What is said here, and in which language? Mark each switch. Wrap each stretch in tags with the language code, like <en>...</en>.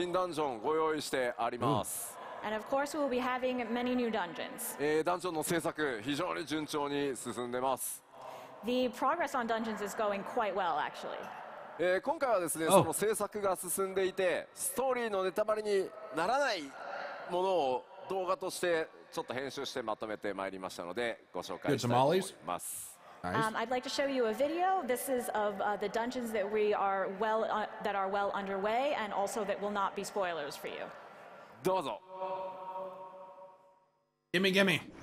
<ja>もちろん多数の新ダンジョンをご用意してあります。</ja> <en>And of course, we'll be having many new dungeons.</en> <ja>ダンジョンの制作非常に順調に進んでます。</ja> <en>The progress on dungeons is going quite well, actually.</en> <ja>今回はですね、 oh. その制作が進んでいて、 ストーリーのネタバレにならないものを動画としてちょっと編集してまとめてまいりましたので、ご紹介したいと思います。</ja> <en>Nice. I'd like to show you a video. This is of the dungeons that we are well that are well underway, and also that will not be spoilers for you.</en> <ja>どうぞ.</ja> <en>Gimme, gimme.</en>